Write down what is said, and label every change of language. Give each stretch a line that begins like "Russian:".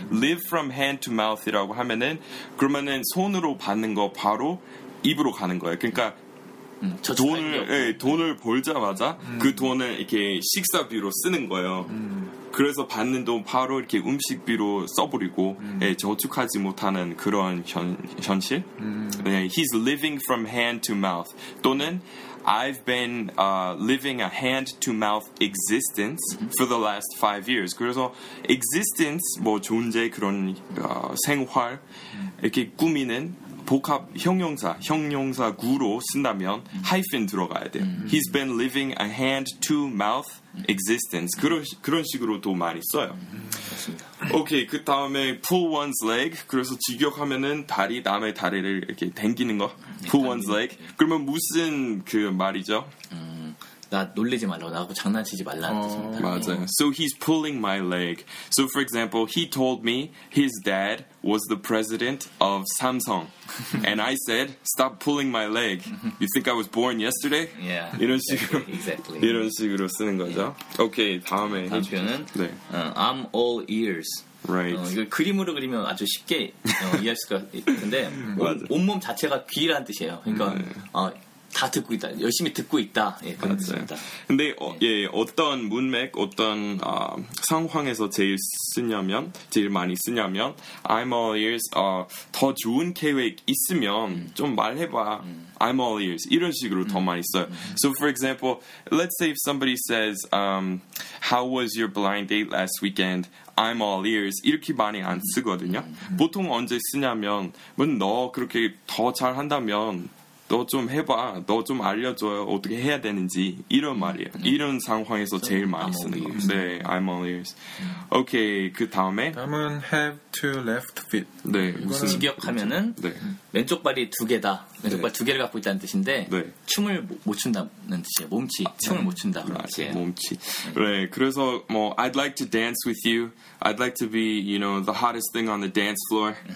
English: live from hand to mouth
Korean: 이라고 하면은, 그러면은 손으로 받는 거 바로 입으로 가는 거예요. 그러니까, 돈을, 예, 돈을 벌자마자 그 돈을 이렇게 식사비로 쓰는 거예요. 그래서 받는 돈 바로 이렇게 음식비로 써버리고 예, 저축하지 못하는 그런 현실. 예,
English: he's living from hand to mouth.
Korean: 또는
English: I've been living a hand-to-mouth existence for the last 5 years.
Korean: 그래서 existence, 뭐 존재 그런 생활 이렇게 꾸미는 복합 형용사, 형용사 구로 쓴다면 hyphen 들어가야 돼요.
English: He's been living a hand-to-mouth existence.
Korean: 그런 식으로도 많이 써요. 오케이, 그 다음에
English: pull one's leg.
Korean: 그래서 직역하면은 다리, 남의 다리를 이렇게 당기는 거.
English: pull one's leg.
Korean: 그러면 무슨 그 말이죠? 나 놀리지 말라고, 나하고 장난치지 말라는 뜻입니다. 맞아요.
English: So he's pulling my leg. So for example, he told me his dad was the president of Samsung. And I said, stop pulling my leg. You think I was born yesterday? Yeah.
Korean: 이런 식으로.
English: Exactly.
Korean: 이런 식으로 쓰는 거죠.
English: Yeah. Okay,
Korean: 다음에. 다음 표현은? 네.
English: I'm all ears. Right.
Korean: 이거 그림으로 그리면 아주 쉽게 이해할 수가 있는데, 온몸 자체가 귀라는 뜻이에요. 그러니까, 네. 다 듣고 있다. 열심히 듣고 있다. 예, 그런 뜻입니다. 근데 예, 어떤 문맥, 어떤 상황에서 제일 쓰냐면, 제일 많이 쓰냐면,
English: I'm all ears.
Korean: 더 좋은 계획 있으면 좀 말해봐.
English: I'm all ears.
Korean: 이런 식으로 더 많이 써요.
English: So for example, let's say if somebody says, how was your blind date last weekend? I'm all ears.
Korean: 이렇게 많이 안 쓰거든요. 보통 언제 쓰냐면, 너 그렇게 더 잘한다면 너 좀 해봐. 너 좀 알려줘요. 어떻게 해야 되는지. 이런 말이에요. 이런 상황에서 제일 많이 쓰는 거. 네,
English: I'm all ears.
Korean: 오케이, 그 다음에. 다음은
English: have two left feet.
Korean: 네, 무슨. 직역하면은 네. 왼쪽 발이 두 개다. 왼쪽 네. 발 두 개를 갖고 있다는 뜻인데 네. 춤을 못 춘다는 뜻이에요. 몸치. 아, 춤을 못 춘다. 그렇지. 네, 몸치. 네, 그래서 뭐
English: I'd like to dance with you. I'd like to be, you know, the hottest thing on the dance floor.